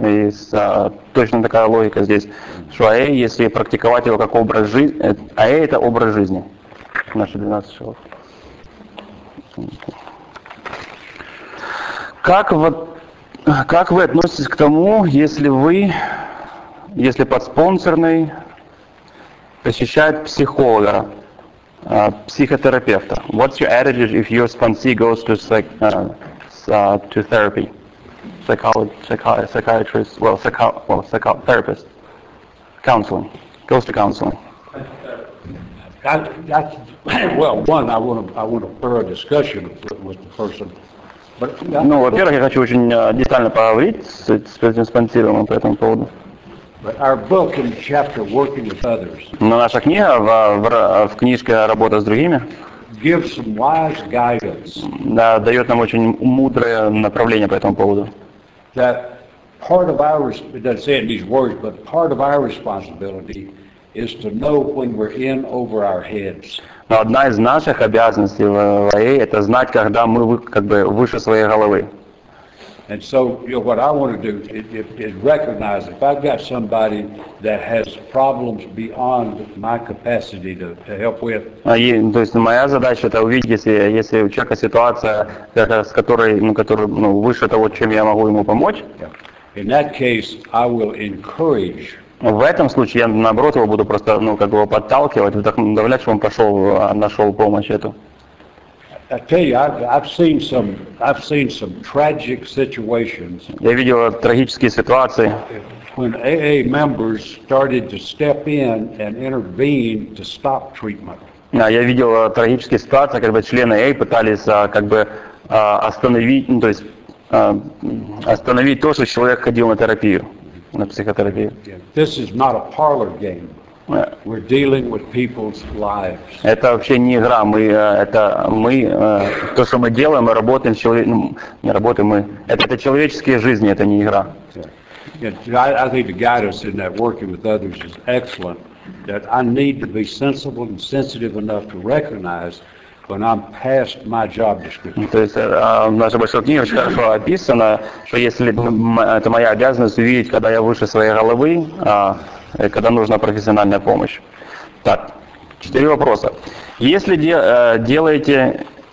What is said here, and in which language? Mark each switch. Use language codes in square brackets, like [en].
[ru] И точно такая логика здесь, что АЭ, если практиковать его как образ жизни, АЭ – это образ жизни. Наши 12 шагов. Как вы относитесь к тому, если подспонсорный посещает психолога, психотерапевта? [en] What's your attitude if your sponsee goes to to therapy? Psychotherapist. Counseling. Goes to counseling. I want a thorough discussion with the person. But, yeah. [ru] Ну, во-первых, я хочу очень детально поговорить с этим спонсированным по этому поводу. [en] But our book in the chapter Working with Others. [ru] Но наша книга в книжке «Работа с другими» [en] gives some wise guidance. [ru] Да, дает нам очень мудрое направление по этому поводу. [en] That part of our, it doesn't say in these words, but part of our responsibility is to know when we're in over our heads. [ru] Но одна из наших обязанностей в АЭ – это знать, когда мы как бы выше своей головы. [en] And so, you know, what I want to do is recognize if I've got somebody that has problems beyond my capacity to help with. [ru] То есть моя задача – это увидеть, если у человека ситуация, с которой, которая выше того, чем я могу ему помочь. [en] In that case, I will encourage. [ru] В этом случае я, наоборот, его буду просто, подталкивать, вдохновлять, чтобы он пошел, нашел помощь эту. [en] I've seen some tragic situations. [ru] Я видел трагические ситуации. [en] When AA members started to step in and intervene to stop treatment. [ru] Я видел трагические ситуации, когда члены AA пытались остановить то, что человек ходил на терапию, на психотерапию. [en] This is not a parlor game. We're dealing with people's lives. [ru] Это вообще не игра. То, что мы делаем, мы работаем с человеком. Не работаем мы. Это человеческие жизни, это не игра. [en] I think the guidance in that working with others is excellent. That I need to be sensible and sensitive enough to recognize when I'm past my job description. [ru] То есть в нашей большой книге очень хорошо описано, что если это моя обязанность увидеть, когда я выше своей головы, когда нужна профессиональная помощь. Так, четыре вопроса. Если делаете...